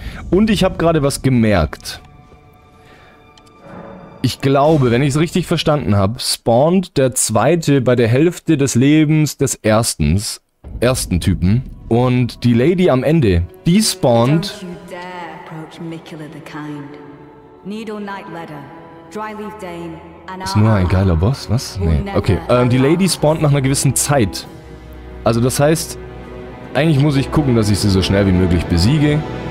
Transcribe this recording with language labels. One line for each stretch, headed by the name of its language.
German: Und ich habe gerade was gemerkt. Ich glaube, wenn ich es richtig verstanden habe, spawnt der zweite bei der Hälfte des Lebens des ersten Typen. Und die Lady am Ende, die spawnt...
English: Don't you dare approach Mikula the Kind. Needle Nightletter, Dryleaf Dane, and
German: ist nur ein geiler Boss, was? Nee, okay. Die Lady spawnt nach einer gewissen Zeit. Also das heißt, eigentlich muss ich gucken, dass ich sie so schnell wie möglich besiege.